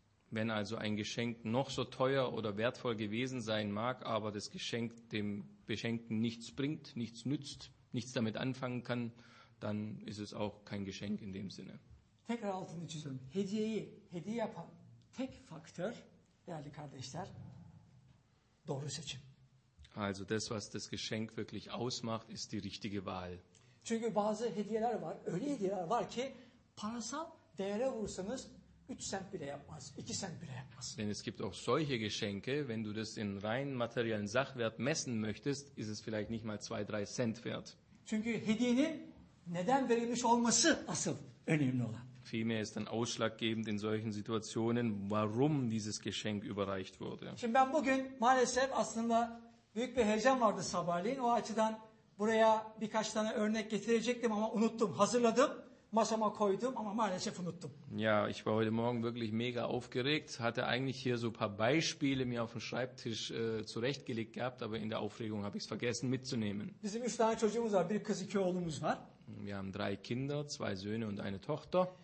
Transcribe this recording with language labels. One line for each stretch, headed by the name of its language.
German: Wenn also ein Geschenk noch so teuer oder wertvoll gewesen sein mag, aber das Geschenk dem Beschenkten nichts bringt, nichts nützt, nichts damit anfangen kann, dann ist es auch kein Geschenk in dem Sinne.
Turkish: Tekrar altını çizelim. Hediyeyi hediye yapan tek faktör, değerli kardeşler, doğru seçim.
German: Also das, was das Geschenk wirklich ausmacht, ist die richtige Wahl.
Turkish: Çünkü bazı hediyeler var, öyle hediyeler var ki parasal değere vursanız 3 sent bile yapmaz, 2 sent bile yapmaz.
German: Denn es gibt auch solche Geschenke, wenn du das in rein materiellen Sachwert messen möchtest, ist es vielleicht nicht mal 2-3 cent wert.
Turkish: Çünkü hediyenin neden verilmiş olması asıl önemli olan.
German: Vielmehr ist dann ausschlaggebend in solchen Situationen, warum dieses Geschenk überreicht wurde.
Turkish: Şimdi ben bugün maalesef aslında büyük bir heyecan vardı sabahleyin. O açıdan buraya birkaç tane örnek getirecektim ama unuttum. Hazırladım, masama koydum ama maalesef unuttum.
German: Ja, ich war heute Morgen wirklich mega aufgeregt. Hatte eigentlich hier so ein paar Beispiele mir auf dem Schreibtisch zurechtgelegt gehabt, aber in der Aufregung habe ich es vergessen mitzunehmen.
Turkish: Bizim üç tane çocuğumuz var, bir kız iki oğlumuz var.
German: Wir haben drei Kinder, zwei Söhne und eine Tochter.